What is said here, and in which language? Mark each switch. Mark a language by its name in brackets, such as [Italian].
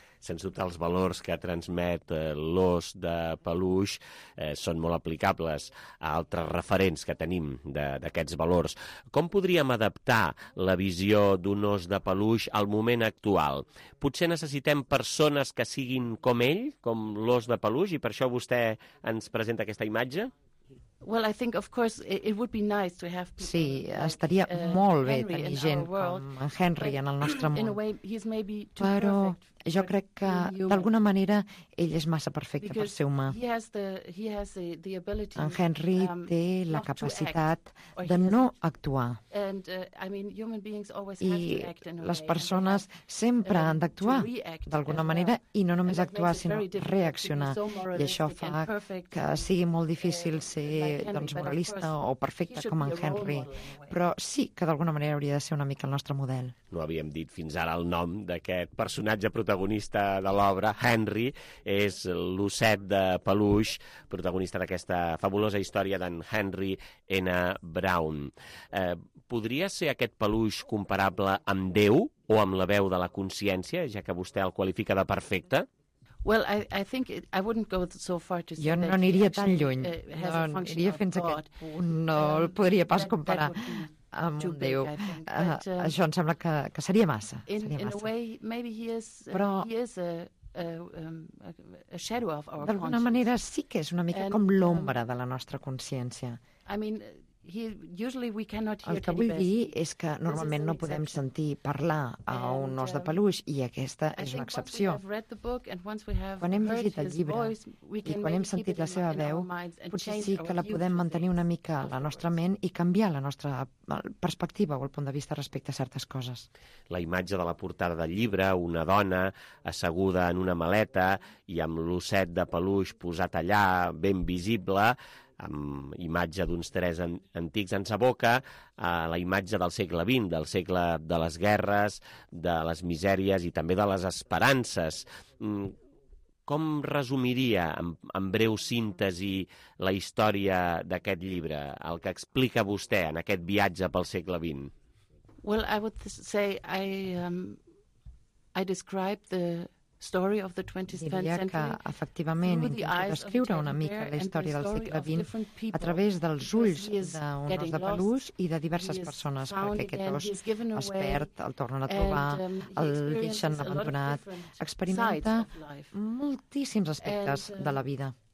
[Catalan] Sens dubte, els valors que transmet l'os de peluix són molt aplicables a altres referents que tenim d'aquests valors. Com podríem adaptar la visió d'un os de peluix al moment actual? Potser necessitem persones que siguin com ell, com l'os de peluix, i per això vostè ens presenta aquesta imatge? [English] Well, I think, of course, it would be nice to have people. [Catalan] Sí, estaria molt bé tenir gent com en Henry en el nostre món. Però jo crec que, d'alguna manera, ell és massa perfecte per ser humà. En Henry té la capacitat de no actuar. I les persones sempre han d'actuar, d'alguna manera, i no només actuar, sinó reaccionar. I això fa que sigui molt difícil ser doncs moralista o perfecte com en Henry. Però sí que d'alguna manera hauria de ser una mica el nostre model. No havíem dit fins ara el nom d'aquest personatge protagonista de l'obra. Henry és l'osset de peluix, protagonista d'aquesta fabulosa història d'en Henry N. Brown. Podria ser aquest peluix comparable amb Déu o amb la veu de la consciència, ja que vostè el qualifica de perfecte? [English] Well, I think I wouldn't go so far to say [Catalan] jo no aniria tan lluny. No aniria fins a aquest punt. No el podria pas comparar amb un Déu. Això em sembla que seria massa. Però d'alguna manera sí que és una mica com l'ombra de la nostra consciència. [English] I mean, usually we cannot hear [Catalan] el que vull dir és que normalment no podem sentir parlar a un os de peluix i aquesta és una excepció. Quan hem llegit el llibre i quan hem sentit la seva veu, potser sí que la podem mantenir una mica a la nostra ment i canviar la nostra perspectiva o el punt de vista respecte a certes coses. La imatge de la portada del llibre, una dona asseguda en una maleta i amb l'osset de peluix posat allà ben visible, amb imatge d'uns tres antics, ens aboca a la imatge del segle XX, del segle de les guerres, de les misèries i també de les esperances. Com resumiria, en breu síntesi, la història d'aquest llibre, el que explica vostè en aquest viatge pel segle XX? [English] Well, I would say I describe the story of the 20th century. [Catalan] Diria que, efectivament, intento descriure una mica la història del segle XX a través dels ulls d'un os de peluix i de diverses persones, perquè aquest os es perd, el tornen a trobar, el deixen abandonat, experimenta moltíssims aspectes de la vida.